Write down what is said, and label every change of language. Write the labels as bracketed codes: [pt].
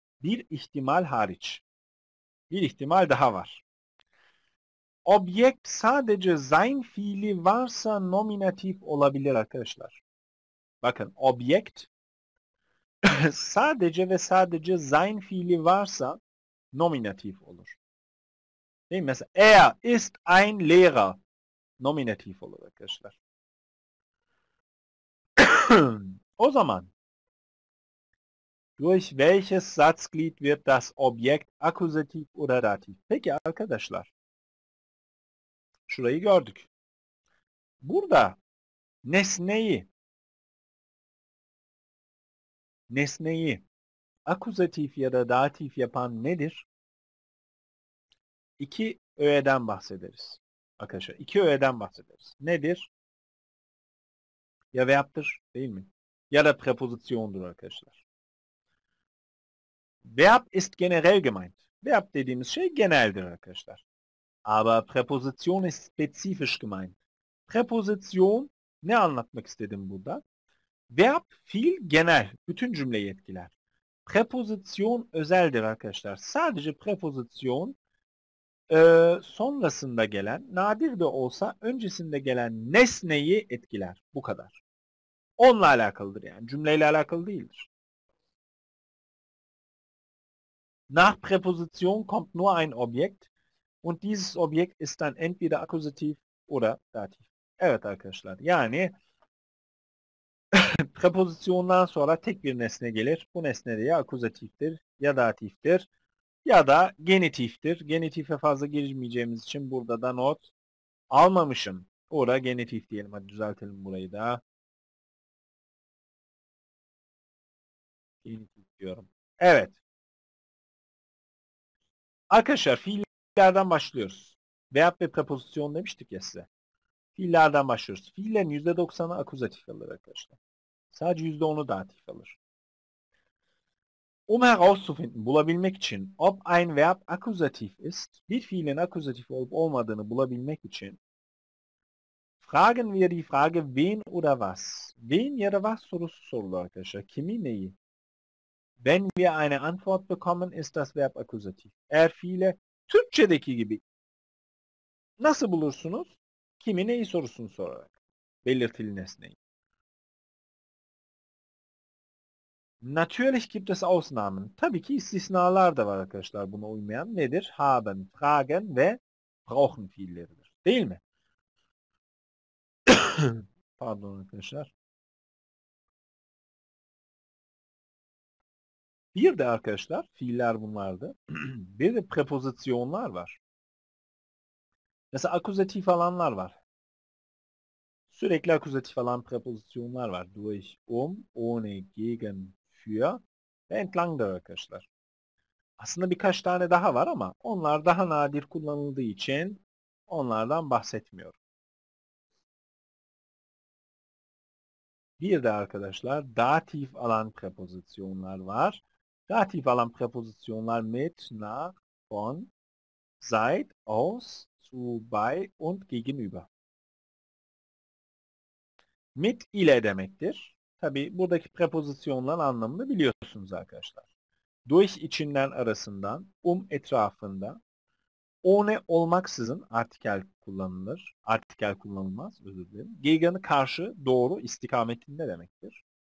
[tr] Bir ihtimal hariç. Bir ihtimal daha var. Objekt sadece sein fiili varsa nominatif olabilir arkadaşlar. Bakın objekt sadece ve sadece sein fiili varsa nominatif olur. Değil mi? Mesela [de] er ist ein Lehrer [tr] nominatif olur arkadaşlar. O zaman [de] durch welches Satzglied wird das Objekt akkusativ oder dativ? [tr] Peki arkadaşlar. Şurayı gördük. Burada nesneyi akuzatif ya da datif yapan nedir? İki öğeden bahsederiz. Arkadaşlar iki öğeden bahsederiz. Nedir? Ya verb'tir değil mi? Ya da prepozisyondur arkadaşlar. [de] Verb ist generell gemeint. [tr] Verb dediğimiz şey geneldir arkadaşlar. [de] Aber preposition ist spezifisch gemeint. [tr] Preposition ne anlatmak istedim burada? Verb, fiil, genel. Bütün cümleyi etkiler. Preposition özeldir arkadaşlar. Sadece preposition sonrasında gelen, nadir de olsa öncesinde gelen nesneyi etkiler. Bu kadar. Onunla alakalıdır yani. Cümleyle alakalı değildir. [de] Nach preposition kommt nur ein Objekt und dieses Objekt ist dann entweder akkusativ oder dativ. [tr] Evet arkadaşlar. Yani prepozisyondan sonra tek bir nesne gelir. Bu nesne de ya akuzatiftir, ya datiftir, ya da genitiftir. Genitife fazla girmeyeceğimiz için burada da not almamışım. Orada genitif diyelim. Hadi düzeltelim burayı da. Genitif diyorum. Evet. Arkadaşlar fiillerden başlıyoruz. Verb ve prepozisyon demiştik ya size. Fiillerden başlıyoruz. Fiillerin %90'ı akuzatif alır arkadaşlar. Sadece %10'u datif alır. [de] Um herauszufinden, [tr] bulabilmek için, [de] ob ein Verb akkusativ ist, [tr] bir fiilin akkusativ olup olmadığını bulabilmek için, [de] fragen wir die Frage wen oder was? [tr] Wen ya da was sorusu sorulur arkadaşlar. Kimi neyi? [de] Wenn wir eine Antwort bekommen, ist das Verb akkusativ. [tr] Eğer fiile Türkçedeki gibi nasıl bulursunuz? Kimi neyi sorusunu sorarak. Belirtili nesneyi. [de] Natürlich gibt es Ausnahmen. [tr] Tabii ki istisnalar da var arkadaşlar buna uymayan. Nedir? Haben, fragen ve brauchen fiilleridir. Değil mi? Pardon arkadaşlar. Bir de arkadaşlar fiiller bunlardı. Bir de prepozisyonlar var. Mesela akuzatif alanlar var. Sürekli akuzatif alan prepozisyonlar var. Durch, um, ohne, gegen, für ve entlangdır arkadaşlar. Aslında birkaç tane daha var ama onlar daha nadir kullanıldığı için onlardan bahsetmiyorum. Bir de arkadaşlar datif alan prepozisyonlar var. Datif alan prepozisyonlar mit, nach, von, seit, aus, zu, bei und gegenüber. Mit ile demektir. Tabii buradaki prepozisyonların anlamını biliyorsunuz arkadaşlar. Durch içinden arasından, etrafında, ohne olmaksızın artikel kullanılır. Artikel kullanılmaz, özür dilerim. Gegen'i karşı, doğru istikametinde demektir.